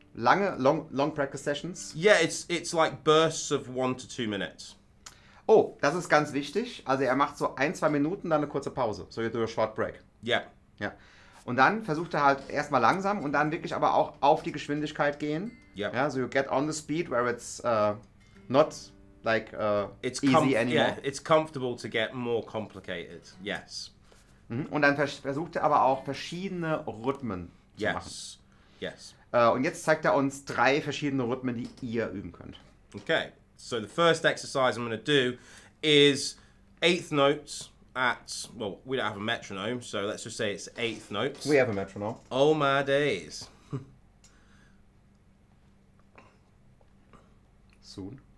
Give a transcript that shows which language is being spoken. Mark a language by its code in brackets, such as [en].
[en] Lange, long practice sessions? Yeah, it's like bursts of 1 to 2 minutes. [de] Oh, das ist ganz wichtig. Also er macht so 1-2 Minuten, dann eine kurze Pause. [en] So you do a short break. Yeah. [de] Ja. Und dann versucht er halt erstmal langsam und dann wirklich aber auch auf die Geschwindigkeit gehen. [en] Yep. [de] Ja. [en] So you get on the speed where it's not... Like, it's easy anymore. Yeah, it's comfortable to get more complicated, yes. [de] Und dann versucht er aber auch verschiedene Rhythmen zu [en] yes. [de] machen. [en] Yes, yes. [de] Und jetzt zeigt er uns 3 verschiedene Rhythmen, die ihr üben könnt. [en] Okay, so the first exercise I'm going to do is 8th notes at, well, we don't have a metronome, so let's just say it's 8th notes. We have a metronome. Oh my days. Soon.